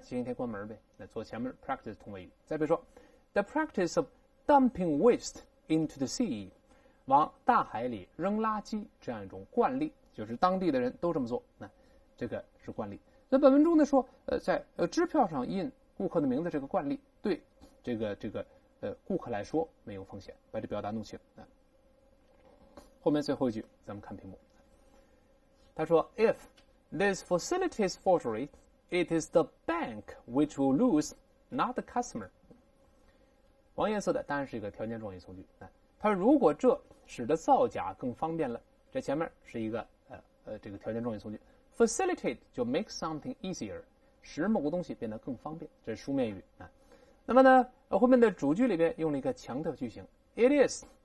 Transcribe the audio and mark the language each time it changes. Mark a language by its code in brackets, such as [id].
[zh] 星期天关门呗。那做前面 practice 同位语。再比如说 [en] the practice of dumping waste into the sea， [zh] 往大海里扔垃圾这样一种惯例，就是当地的人都这么做。这个是惯例。那本文中呢说，在支票上印顾客的名字这个惯例，对这个顾客来说没有风险，把这表达弄清。后面最后一句，咱们看屏幕。他说：“ [en] If this facility is forgery, it is the bank which will lose, not the customer。” [zh] 黄颜色的当然是一个条件状语从句。他说如果这使得造假更方便了，这前面是一个这个条件状语从句，facilitate 就 [en] make something easier， [zh] 使某个东西变得更方便，这是书面语啊。那么呢，后面的主句里边用了一个强调句型，it is。